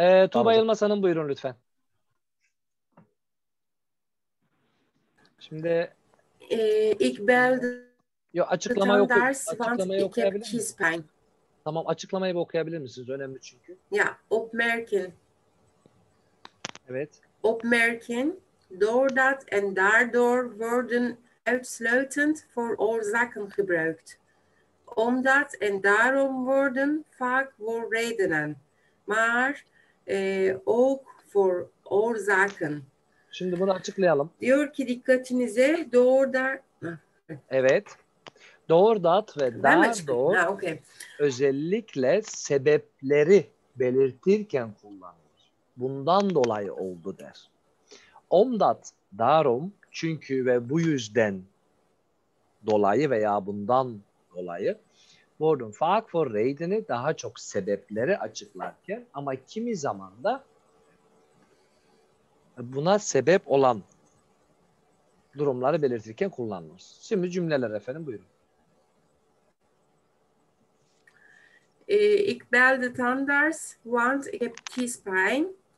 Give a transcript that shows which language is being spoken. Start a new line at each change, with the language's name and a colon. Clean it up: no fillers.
Turkish: Tuğba Yılmaz Hanım buyurun lütfen. Şimdi ilk belde yok açıklama yok. Açıklamayı okuyabilir misin? Tamam, açıklamayı okuyabilir misiniz? Önemli çünkü. Ya, opmerken. Evet.
Dutch: Opmerken doordat en daardoor worden uitsluitend voor oorzaken gebruikt. Omdat en daarom worden vaak voor redenen. Maar ook voor oorzaken.
Turkish: Şimdi bunu açıklayalım. Diyor ki dikkatinize doordat. Evet. Doordat ve daardoor
English: okay.
Turkish: Özellikle sebepleri belirtirken kullanılır. Bundan dolayı oldu der. Omdat, darum, çünkü ve bu yüzden dolayı veya bundan dolayı.
Dutch: Worden vaak voor redenen
Turkish: daha çok sebepleri açıklarken ama kimi zaman da buna sebep olan durumları belirtirken kullanılır. Şimdi cümleler efendim buyurun.
Dutch: Ik belde tandarts, want ik heb kiespijn.